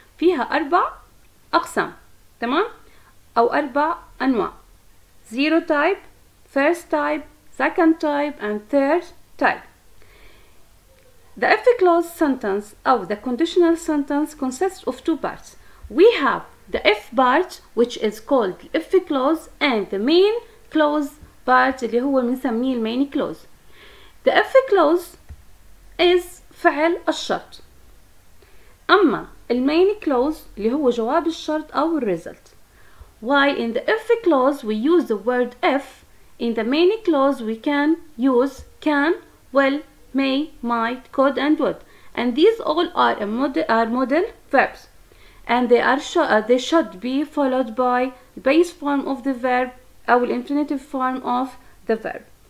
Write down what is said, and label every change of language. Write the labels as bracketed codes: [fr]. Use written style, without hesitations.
[ar] فيها أربع أقسام تمام؟ أو أربع أنواع [en] zero type, first type, second type, and third type. The if clause sentence أو the conditional sentence consists of two parts. We have the if part which is called if clause and the main clause part [ar] اللي هو بنسميه [en] main clause. The if clause is [ar] فعل الشرط. أما [en] المين كلوز [ar] اللي هو جواب الشرط أو الريزلت. [en] Why in the if clause we use the word if, in the main clause we can use can, will, may, might, could and would. And these all are model verbs. And they should be followed by the base form of the verb or the infinitive form of the verb.